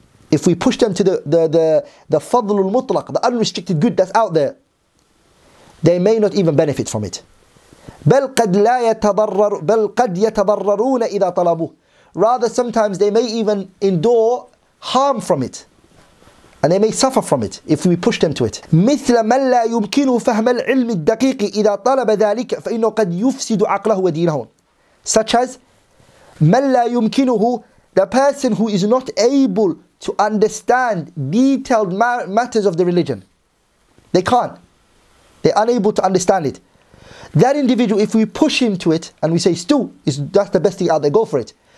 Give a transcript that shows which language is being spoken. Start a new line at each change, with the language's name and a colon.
English: If we push them to the fadl al-mutlaq, the unrestricted good that's out there, they may not even benefit from it.
Arabic: بَلْ قَدْ يَتَضَرَّرُونَ إِذَا طَلَبُوا,
English: rather sometimes they may even endure harm from it. And they may suffer from it if we push them to it.
Arabic: مثل من لا يمكنه فهم العلم الدقيق إذا طلب ذلك فإنه قد يفسد عقله ودينه.
English: Such as
Arabic: من لا يمكنه,
English: the person who is not able to understand detailed matters of the religion. They can't. They're unable to understand it. That individual, if we push him to it and we say, that's the best thing out there, go for it.